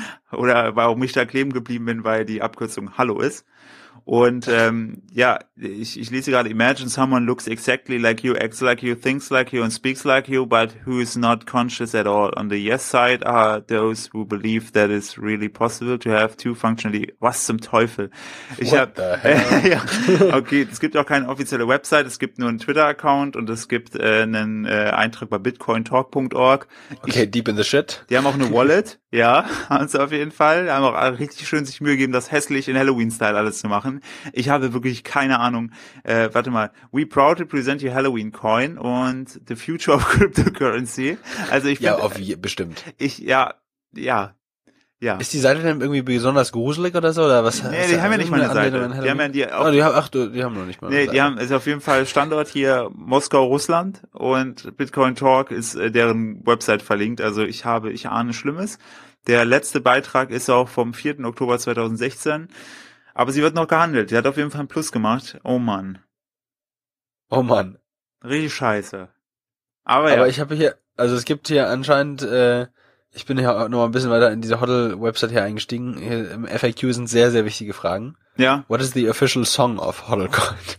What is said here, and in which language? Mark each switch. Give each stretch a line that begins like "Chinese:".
German: Oder warum ich da kleben geblieben bin, weil die Abkürzung Hallo ist. Und ja, ich lese gerade,
English: imagine someone looks exactly like you, acts like you, thinks like you and speaks like you, but who is not conscious at all. On the yes side are those who believe that it's really possible to have two functionally,
German: was zum Teufel.
English: What the hell?
German: Okay, es gibt auch keine offizielle Website, es gibt nur einen Twitter-Account und es gibt einen Eintrag bei bitcointalk.org.
English: Okay, deep in the shit.
German: Die haben auch eine Wallet, ja, haben sie auf jeden Fall. Die haben auch richtig schön sich Mühe gegeben, das hässlich in Halloween-Style alles zu machen. Ich habe wirklich keine Ahnung. Warte mal.
English: We proudly present your Halloween coin und the future of cryptocurrency.
German: Also ich find, ja, auf bestimmt. Ich, ja, ja, ja. Ist die Seite denn irgendwie besonders gruselig oder so? Oder was? Nee, die haben ja nicht mal eine Seite. Die haben ja die haben noch nicht mal. Nee, die haben, ist auf jeden Fall Standort hier Moskau, Russland und Bitcoin Talk ist deren Website verlinkt. Also ich ahne Schlimmes. Der letzte Beitrag ist auch vom 4. Oktober 2016. Aber sie wird noch gehandelt. Sie hat auf jeden Fall ein Plus gemacht. Oh Mann. Oh Mann. Richtig scheiße. Aber ja. Aber ich habe hier, also es gibt hier anscheinend, ich bin ja noch mal ein bisschen weiter in diese HODL-Website hier eingestiegen. Hier im FAQ sind sehr, sehr wichtige Fragen. Ja.
English: What is the official song of HODL coin?